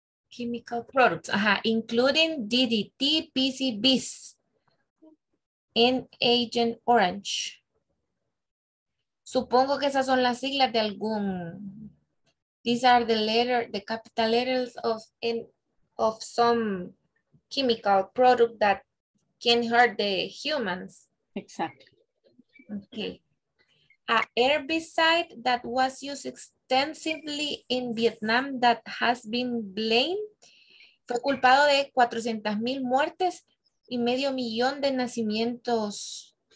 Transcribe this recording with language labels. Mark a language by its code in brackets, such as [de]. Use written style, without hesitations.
[en] Chemical products, including DDT, PCBs, and Agent Orange. [es] Supongo que esas son las siglas de algún. [en] These are the capital letters of some chemical product that can hurt the humans. Exactly. Okay. A herbicide that was used extensively in Vietnam that has been blamed. [es] Fue culpado de 400,000 muertes y medio millón de nacimientos.